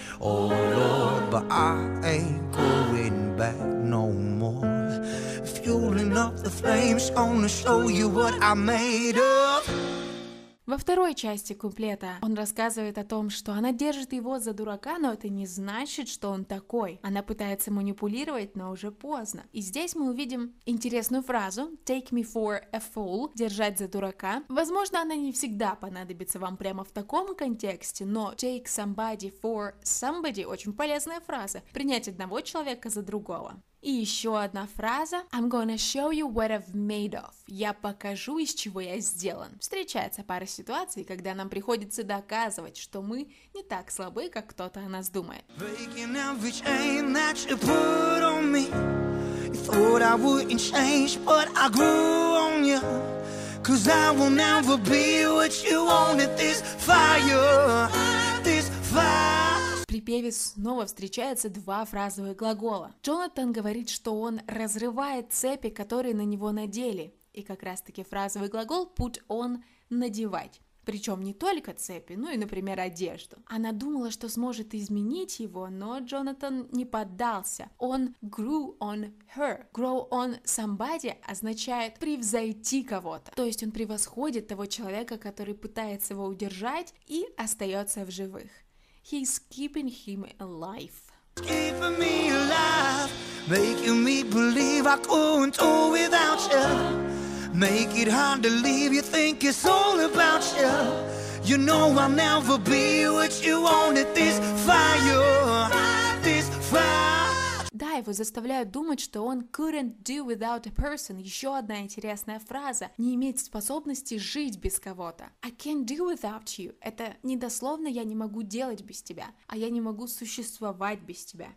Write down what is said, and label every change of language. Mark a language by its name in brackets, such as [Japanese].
[English] Oh Lord, but I ain't going back no more. Fueling up the flames, gonna show you what I made of. [Russian] Во второй части куплета он рассказывает о том, что она держит его за дурака, но это не значит, что он такой. Она пытается манипулировать, но уже поздно. И здесь мы увидим интересную фразу [English] «take me for a fool» [Russian] — «держать за дурака». Возможно, она не всегда понадобится вам прямо в таком контексте, но [English] «take somebody for somebody» [Russian] — очень полезная фраза — «принять одного человека за другого». И еще одна фраза [English] I'm gonna show you what I've made of. [Russian] Я покажу, из чего я сделан. Встречается пара ситуаций, когда нам приходится доказывать, что мы не так слабы, как кто-то о нас думает. [English] Breaking every chain that you put on me. You thought I wouldn't change, but I grew on you. Cause I will never be what you wanted. This fire, this fire. [Russian] В припеве снова встречаются два фразовых глагола. Джонатан говорит, что он разрывает цепи, которые на него надели. И как раз-таки фразовый глагол [English] put on [Russian] – надевать. Причем не только цепи, ну и, например, одежду. Она думала, что сможет изменить его, но Джонатан не поддался. Он [English] grew on her. Grow on somebody [Russian] означает превзойти кого-то. То есть он превосходит того человека, который пытается его удержать и остается в живых. [English] He's keeping him alive. Keeping me alive, making me believe I couldn't do without you. Make it hard to leave, you think it's all about you. You know I'll never be what you wanted, this fire, this fire. [Russian] Да, его заставляют думать, что он [English] couldn't do without a person. [Russian] Еще одна интересная фраза. Не иметь способности жить без кого-то. [English] I can't do without you. [Russian] Это не дословно «я не могу делать без тебя», а «я не могу существовать без тебя».